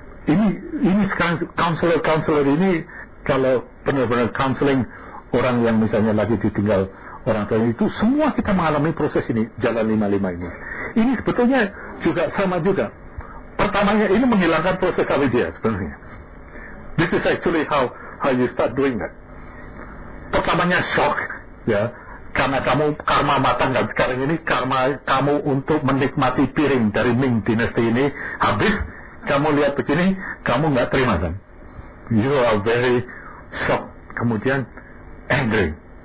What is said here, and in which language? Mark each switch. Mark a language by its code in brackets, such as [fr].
[id] Ini sekarang counselor ini, kalau benar-benar counseling orang yang misalnya lagi ditinggal orang tua itu, semua kita mengalami proses ini, jalan lima-lima ini. Ini sebetulnya juga sama juga. Pertamanya ini menghilangkan proses avidia sebenarnya. [en] This is actually how you start doing that. [id] Pertamanya shock, ya, karena kamu karma matang kan sekarang ini, karma kamu untuk menikmati piring dari Ming Dynasty ini habis. Kamu lihat begini, kamu nggak terima kan? [en] You are very shocked. [id] Kemudian angry.